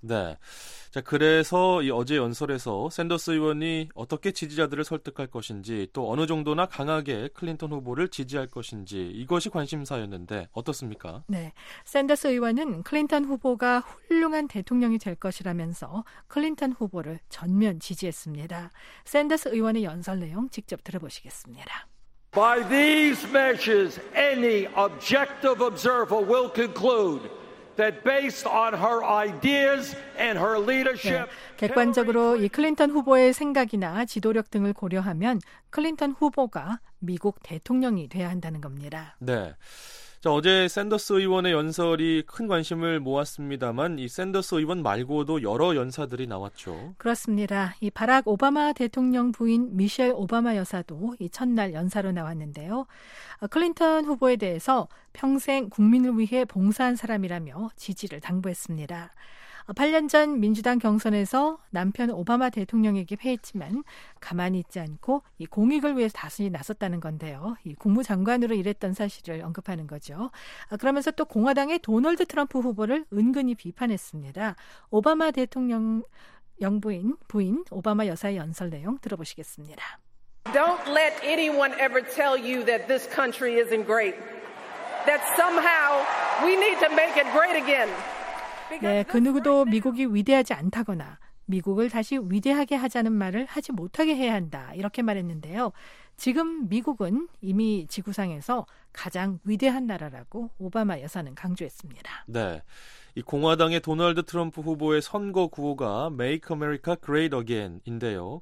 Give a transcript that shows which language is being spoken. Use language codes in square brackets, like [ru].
[ko] 네, 자 그래서 이 어제 연설에서 샌더스 의원이 어떻게 지지자들을 설득할 것인지 또 어느 정도나 강하게 클린턴 후보를 지지할 것인지 이것이 관심사였는데 어떻습니까? 네, 샌더스 의원은 클린턴 후보가 훌륭한 대통령이 될 것이라면서 클린턴 후보를 전면 지지했습니다. 샌더스 의원의 연설 내용 직접 들어보시겠습니다. [en] By these measures, any objective observer will conclude that based on her ideas and her leadership. [ko] 네, 객관적으로 이 클린턴 후보의 생각이나 지도력 등을 고려하면 클린턴 후보가 미국 대통령이 돼야 한다는 겁니다. 네. 자, 어제 샌더스 의원의 연설이 큰 관심을 모았습니다만 이 샌더스 의원 말고도 여러 연사들이 나왔죠. 그렇습니다. 이 바락 오바마 대통령 부인 미셸 오바마 여사도 이 첫날 연사로 나왔는데요. 클린턴 후보에 대해서 평생 국민을 위해 봉사한 사람이라며 지지를 당부했습니다. 8년 전 민주당 경선에서 남편 오바마 대통령에게 패했지만 가만히 있지 않고 이 공익을 위해서 다시 나섰다는 건데요. 이 국무장관으로 일했던 사실을 언급하는 거죠. 그러면서 또 공화당의 도널드 트럼프 후보를 은근히 비판했습니다. 오바마 대통령 영부인 부인 오바마 여사의 연설 내용 들어보시겠습니다. [en] Don't let anyone ever tell you that this country isn't great. That somehow we need to make it great again. [ko] 네, 그 누구도 미국이 위대하지 않다거나 미국을 다시 위대하게 하자는 말을 하지 못하게 해야 한다, 이렇게 말했는데요. 지금 미국은 이미 지구상에서 가장 위대한 나라라고 오바마 여사는 강조했습니다. 네, 이 공화당의 도널드 트럼프 후보의 선거 구호가 [en] Make America Great Again [ko] 인데요.